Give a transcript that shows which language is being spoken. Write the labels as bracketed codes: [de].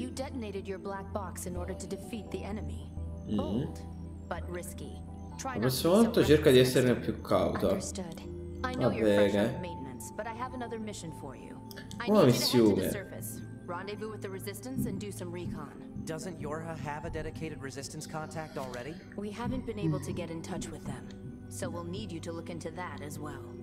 [en] You detonated your black box in order to defeat the enemy. Bold, but risky. [it] La prossima volta cerca di esserne più cauta. Va bene. [en] But I have another mission for you. [it] Una missione. [en] Rendezvous with the resistance and do some recon. Doesn't Yorha have a dedicated resistance contact already? We haven't been able to get in touch with them, so we'll need you to look into that as well.